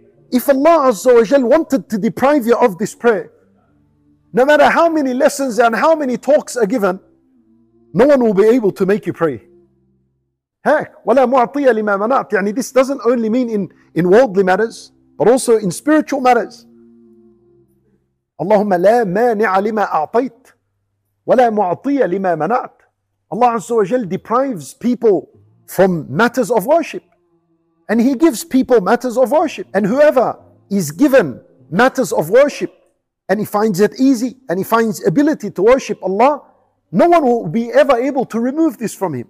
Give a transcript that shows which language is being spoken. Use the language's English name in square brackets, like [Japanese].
[English] If Allah Azza wa Jal wanted to deprive you of this prayer, no matter how many lessons and how many talks are given, no one will be able to make you pray. [Arabic] Heck, وَلَا مُعْطِيَ لِمَا مَنَعْتِ. [English] يعني this doesn't only mean in worldly matters, but also in spiritual matters. [Arabic] اللهم لا مانع لما أعطيت وَلَا مُعْطِيَ لِمَا مَنَعْتِ. [English] Allah Azza wa Jal deprives people from matters of worship. And He gives people matters of worship. And whoever is given matters of worship and he finds it easy and he finds ability to worship Allah, no one will be ever able to remove this from him.